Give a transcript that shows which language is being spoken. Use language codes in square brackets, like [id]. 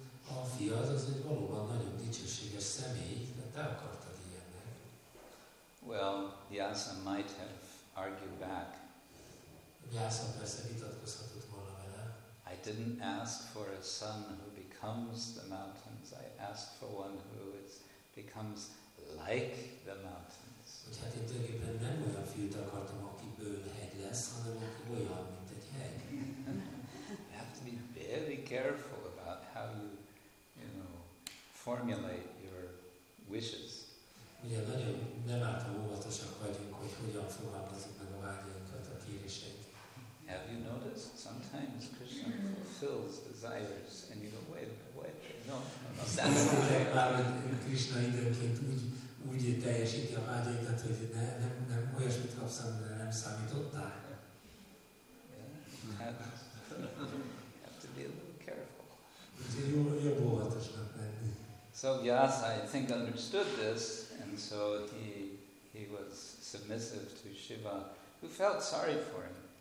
[hu] A fiad az egy valóban nagyon dicsőséges személy, de te akartad ilyennek. [en] Well, Vyasa might have argued back. [hu] Vyasa persze vitatkozhatott volna vele. [en] I didn't ask for a son who becomes the mountains. I asked for one who becomes like the mountains. [hu] Hogy hát én tulajdonképpen nem olyan fiút akartam, akiből hegy lesz, hanem aki olyan, mint egy hegy. [en] You have to be very careful about how you formulate your wishes. [hu] Ugye nagyon nem által óvatosak vagyunk, hogy hogyan fogalmazunk meg a vágyainkat, a kéréseit. [en] Have you noticed? Sometimes Krishna fulfills desires and you go, wait, no, that's not the way. [hu] Krishna időnként úgy teljesíti a vágyaidat, hogy nem olyasmit kapsz, amire nem számítottál. [en] Have to be a little careful. [hu] Úgyhogy jobb óvatosnak lenni. [en] So Vyasa, I think, understood this, and so he was submissive to Shiva, who felt sorry for him.